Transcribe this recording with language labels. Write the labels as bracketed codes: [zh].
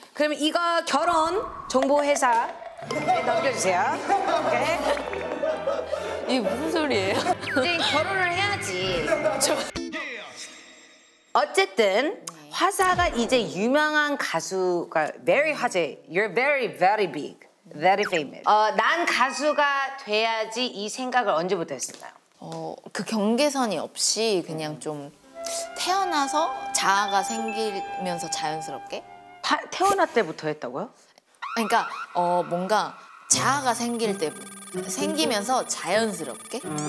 [ko] 그러면 이거 결혼 정보 회사 넘겨주세요. 오케이. 이게 무슨 소리예요? 이제 결혼을 해야지. 저... 어쨌든. 화사가 이제 유명한 가수가 very 화제. [en] You're very very big, very famous. [ko] 난 가수가 돼야지 이 생각을 언제부터 했었나요? 그 경계선이 없이 그냥 좀 태어나서 자아가 생기면서 자연스럽게. 태어날 때부터 했다고요? 그러니까 뭔가 자아가 생길 때 생기면서 자연스럽게.